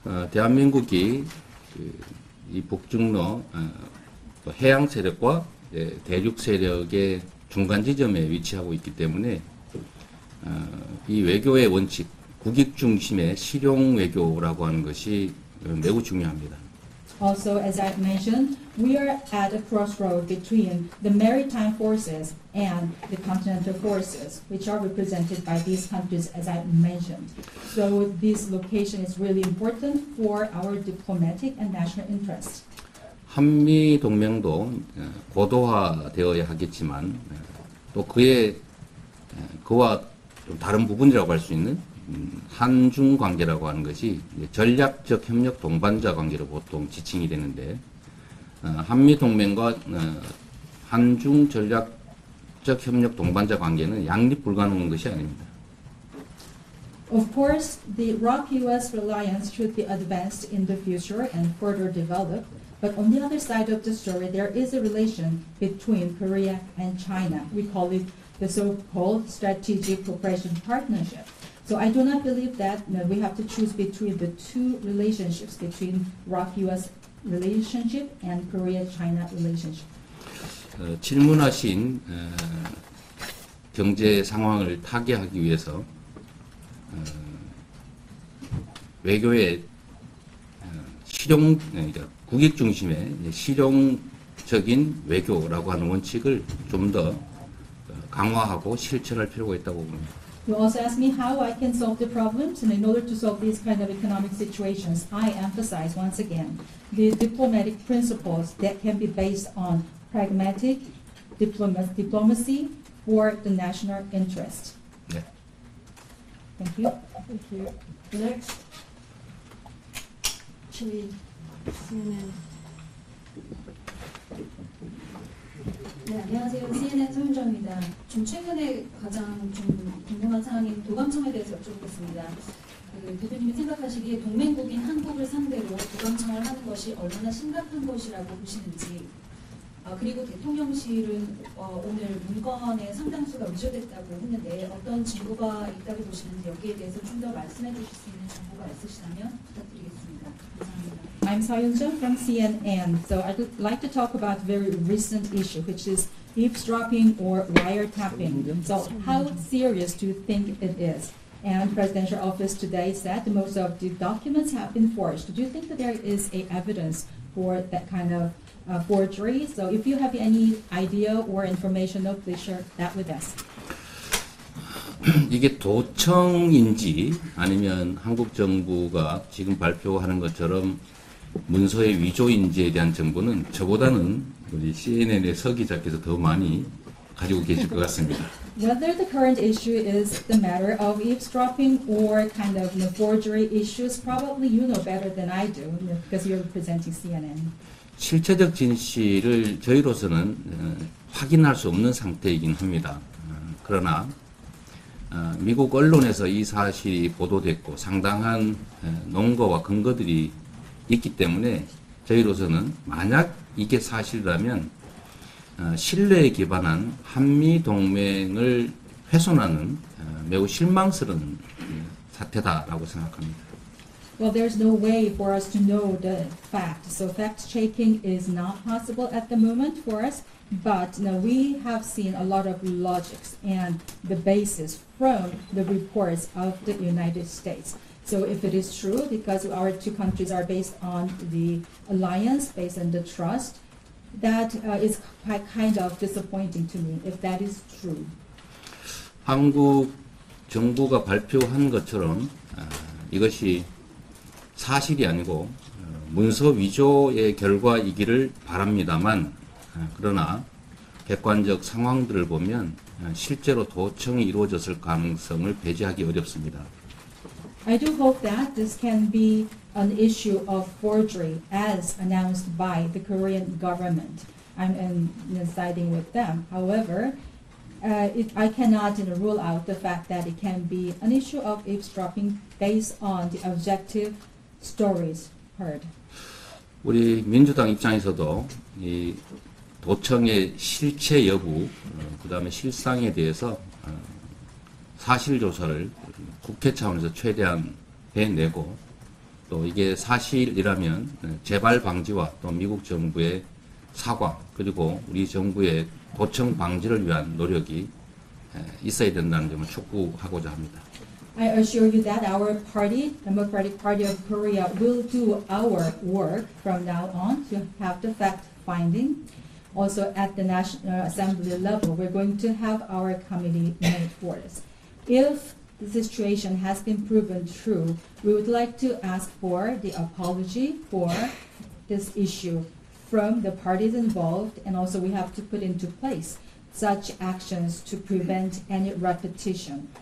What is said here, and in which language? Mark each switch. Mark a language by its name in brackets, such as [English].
[Korean] 대한민국이 이 북중러 해양 세력과 대륙 세력의 중간 지점에 위치하고 있기 때문에 이 외교의 원칙, 국익 중심의 실용 외교라고 하는 것이 매우 중요합니다. [English] Also, as I mentioned, we are at a crossroad between the maritime forces and the continental forces, which are represented by these countries, as I mentioned. So this location is really important for our diplomatic and national interests. [Korean] 한미 동맹도 고도화되어야 하겠지만 또 그와 좀 다른 부분이라고 할 수 있는 한중 관계라고 하는 것이 전략적 협력 동반자 관계로 보통 지칭이 되는데 한미 동맹과 한중 전략적 협력 동반자 관계는 양립 불가능한 것이 아닙니다. [English] Of course, the ROC-US reliance should be advanced in the future and further developed. But on the other side of the story, there is a relation between Korea and China. We call it the so-called strategic cooperation partnership. So I do not believe that we have to choose between the two relationships, between ROC-US relationship and Korea-China relationship. [Korean] 질문하신 경제 상황을 타개하기 위해서 외교의 실용, 국익 중심의 실용적인 외교라고 하는 원칙을 좀 더 강화하고 실천할 필요가 있다고 봅니다. [English] You also ask me how I can solve the problems, and in order to solve these kind of economic situations, I emphasize once again the diplomatic principles that can be based on pragmatic diplomacy for the national interest. Thank you. Next, CNN. [Korean] 네, 안녕하세요. CNN 송윤정입니다. 좀 최근에 가장 좀 궁금한 사항인 도감청에 대해서 여쭤보겠습니다. 대표님이 생각하시기에 동맹국인 한국을 상대로 도감청을 하는 것이 얼마나 심각한 것이라고 보시는지, 그리고 대통령실은 오늘 문건의 상당수가 위조됐다고 했는데 어떤 증거가 있다고 보시는지 여기에 대해서 좀 더 말씀해 주실 수 있는 정보가 있으시다면 부탁드리겠습니다. 감사합니다. [English] I'm Soyun-jun from CNN. So I'd like to talk about a very recent issue, which is eavesdropping or wiretapping. So how serious do you think it is? And presidential office today said most of the documents have been forged. Do you think that there is a evidence for that kind of forgery? So if you have any idea or information, no, please share that with us. [Korean] 이게 도청인지 아니면 한국 정부가 지금 발표하는 것처럼 문서의 위조인지에 대한 정보는 저보다는 우리 CNN의 서 기자께서 더 많이 가지고 계실 것 같습니다. [English] Whether the current issue is the matter of eavesdropping or kind of the forgery issues, probably you know better than I do because you're representing CNN. [Korean] 실체적 진실을 저희로서는 확인할 수 없는 상태이긴 합니다. 그러나 미국 언론에서 이 사실이 보도됐고 상당한 논거와 근거들이 있기 때문에 저희로서는 만약 이게 사실이라면 신뢰에 기반한 한미동맹을 훼손하는 매우 실망스러운 사태다라고 생각합니다. [English] Well, there's no way for us to know the fact. So fact-checking is not possible at the moment for us. But now we have seen a lot of logics and the basis from the reports of the United States. So if it is true, because our two countries are based on the alliance, based on the trust, that is quite kind of disappointing to me, if that is true. [Korean] 한국 정부가 발표한 것처럼 이것이 사실이 아니고 문서 위조의 결과이기를 바랍니다만, 그러나 객관적 상황들을 보면 실제로 도청이 이루어졌을 가능성을 배제하기 어렵습니다. [English] I do hope that this can be an issue of forgery as announced by the Korean government. I'm siding with them. However, I cannot rule out the fact that it can be an issue of eavesdropping based on the objective stories heard. [Korean] 우리 민주당 입장에서도 이 도청의 실체 여부, 그다음에 실상에 대해서 사실 조사를 국회 차원에서 최대한 해내고, 또 이게 사실이라면 재발 방지와 또 미국 정부의 사과 그리고 우리 정부의 도청 방지를 위한 노력이 있어야 된다는 점을 촉구하고자 합니다. [English] I assure you that our party, Democratic Party of Korea, will do our work from now on to have the fact finding. Also at the National Assembly level, we're going to have our committee made for this. If the situation has been proven true, we would like to ask for the apology for this issue from the parties involved, and also we have to put into place such actions to prevent any repetition.